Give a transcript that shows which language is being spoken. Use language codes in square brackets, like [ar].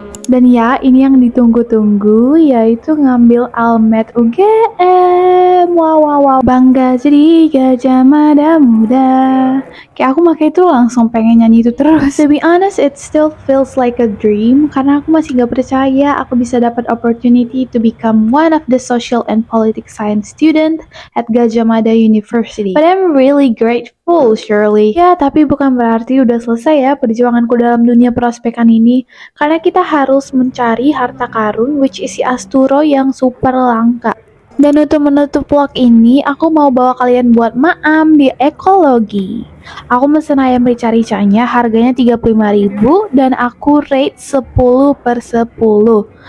[id] Dan ya, ini yang ditunggu-tunggu, yaitu ngambil almet UGM. Wow, wow, wow. Bangga jadi Gajah Mada muda. Kayak aku pakai itu langsung pengen nyanyi itu terus. [en] To be honest, it still feels like a dream. [id] Karena aku masih gak percaya aku bisa dapat [en] opportunity to become one of the social and politic science student at Gajah Mada University. But I'm really grateful, surely. [id] Ya, tapi bukan berarti udah selesai ya perjuanganku dalam dunia prospekan ini. Karena kita harus terus mencari harta karun, [en] which is [id] si Asturo yang super langka. Dan untuk menutup vlog ini, aku mau bawa kalian buat Ma'am di Ekologi. Aku mesen ayam rica-ricanya, harganya Rp35.000 dan aku rate 10/10.